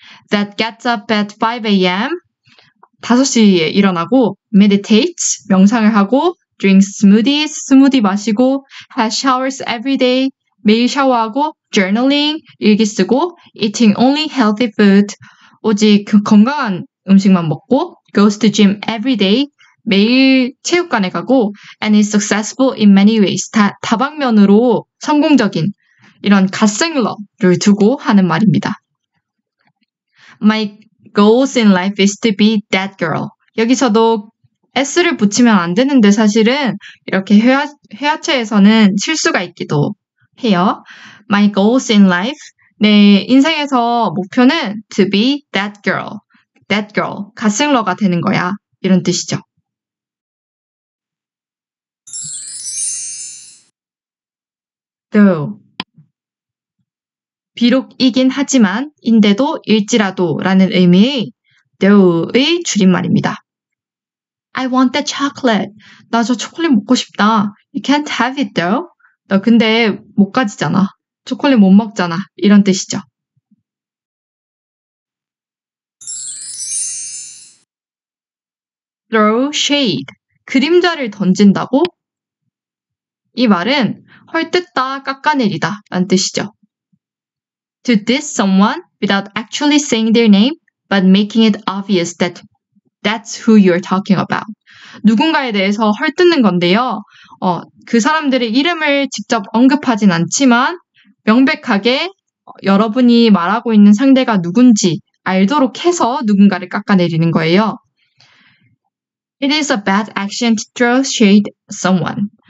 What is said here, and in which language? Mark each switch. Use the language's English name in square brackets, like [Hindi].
[English] That gets up at 5 a.m. [Korean] 5시에 일어나고, [English] meditates, [Korean] 명상을 하고, [English] drinks smoothies, [Korean] 스무디 마시고, [English] has showers every day, [Korean] 매일 샤워하고, [English] journaling, [Korean] 일기 쓰고, [English] eating only healthy food, [Korean] 오직 건강한 음식만 먹고, [English] goes to gym every day, [Korean] 매일 체육관에 가고, [English] and is successful in many ways. [Korean] 다방면으로 성공적인 이런 갓생러를 두고 하는 말입니다. [English] My goals in life is to be that girl. [Korean] 여기서도 S를 붙이면 안 되는데 사실은 이렇게 회화체에서는 실수가 있기도 해요. [English] My goals in life. [Korean] 내 인생에서 목표는 [English] to be that girl. That girl. [Korean] 갓생러가 되는 거야. 이런 뜻이죠. 또. 비록 이긴 하지만, 인데도 일지라도 라는 의미의 though의 줄임말입니다. [English] I want that chocolate. [Korean] 나저 초콜릿 먹고 싶다. [English] You can't have it though. [Korean] 너 근데 못 가지잖아. 초콜릿 못 먹잖아. 이런 뜻이죠. 'Throw shade' 그림자를 던진다고? 이 말은 헐뜯다, 깎아내리다 라는 뜻이죠. [English] To diss someone without actually saying their name, but making it obvious that that's who you're talking about. [Korean] 누군가에 대해서 헐뜯는 건데요. 그 사람들의 이름을 직접 언급하진 않지만 명백하게 여러분이 말하고 있는 상대가 누군지 알도록 해서 누군가를 깎아내리는 거예요. [English] It is a bad action to throw shade at someone.